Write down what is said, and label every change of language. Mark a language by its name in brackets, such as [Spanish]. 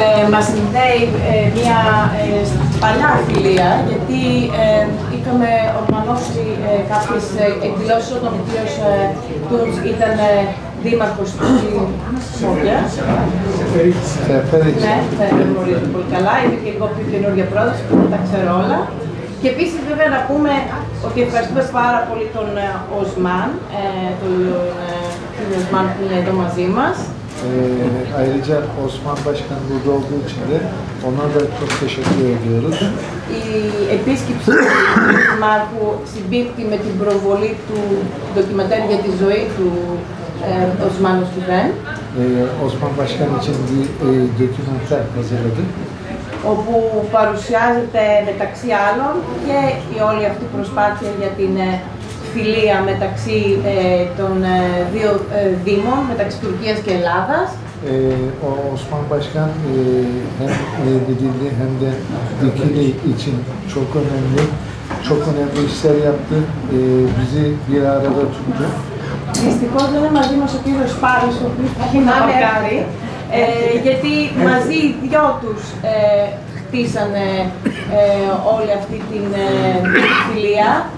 [Greek] Μας συνδέει μία παλιά φιλία, γιατί είχαμε οργανώσει κάποιες εκδηλώσεις όταν ο κύριος Τούρτς ήταν δήμαρχος του Σόγια. Ευχαριστώ. Ναι, θα γνωρίζω πολύ καλά. Είμαι και εγώ πιο καινούργια πρόεδρος, που τα ξέρω όλα. Και επίσης, βέβαια, να πούμε ότι ευχαριστούμε πάρα πολύ τον Οσμάν, τον Οσμάν που είναι εδώ μαζί μας. [Turkish] Ayrıca Osman Başkan burada olduğu için de ona da çok teşekkür ediyoruz. [Greek] Επίσκεψη του Μάρκου συμπίπτει με την προβολή του ντοκιμαντέρ για τη ζωή του Osman Özgüven. [Turkish] Osman Başkan için bir ντοκιμαντέρ hazırladı. [Greek] Όπου παρουσιάζεται μεταξύ άλλων και η όλη αυτή προσπάθεια για την φιλία μεταξύ των δύο δήμων, μεταξύ Τουρκίας και Ελλάδας. [Turkish] Ο Osman Başkan hem dediğinde hem de Dikili için çok önemli, çok önemli işler yaptı. Bizi bir arada tuttu. [Greek] Δυστυχώς δεν είναι μαζί μας ο κύριος Πάρης, ο οποίος θα έχει να παρκάρει, γιατί μαζί οι δυο τους χτίσανε όλη αυτή την φιλία.